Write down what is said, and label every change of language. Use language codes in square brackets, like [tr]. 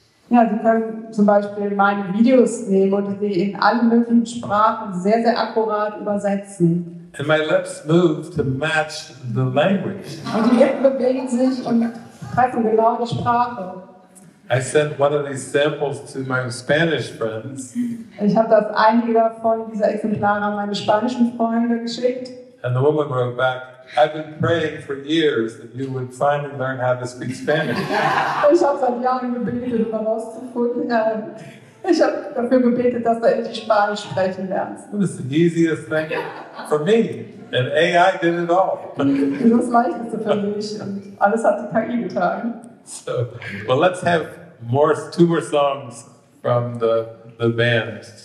[de] Ja, sie können zum Beispiel meine Videos nehmen und sie in allen möglichen Sprachen sehr, sehr akkurat übersetzen. [en] And my lips move to match the language. [de] Und die Lippen bewegen sich und treffen genau die Sprache. [en] I sent one of these samples to my Spanish friends. [de] Ich habe das einige davon dieser Exemplare an meine spanischen Freunde geschickt. [en] And the woman wrote back, I've been praying for years that you would finally learn how to speak Spanish. [de] Ich habe seit Jahren gebetet, um herauszufinden. Ich habe dafür gebetet, dass du endlich Spanisch sprechen lernst. [en] It was the easiest thing for me, and AI did it all. [de] Das war das Leichteste für mich, und alles hat die KI getan. [en] So, well, let's have two more songs from the band.